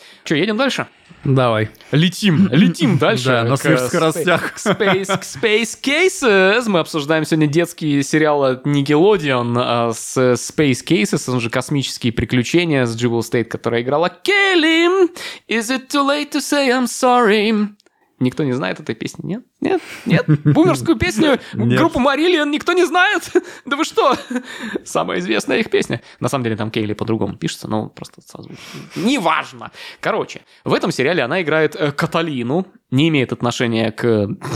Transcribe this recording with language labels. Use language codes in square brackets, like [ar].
[ru] Че, едем дальше? Давай. Летим. Летим дальше. Да, на сверхскоростях. К Space Cases. Мы обсуждаем сегодня детский сериал от Nickelodeon с Space Cases. Он же космические приключения с Jewel State, которая играла Kelly. [en] Is it too late to say I'm sorry? [ru] Никто не знает этой песни, нет? Нет? Нет? Бумерскую песню? Группу Marillion никто не знает? Да вы что? Самая известная их песня. На самом деле там Кейли по-другому пишется, но просто созвучно. Неважно. Короче, в этом сериале она играет Каталину, не имеет отношения к...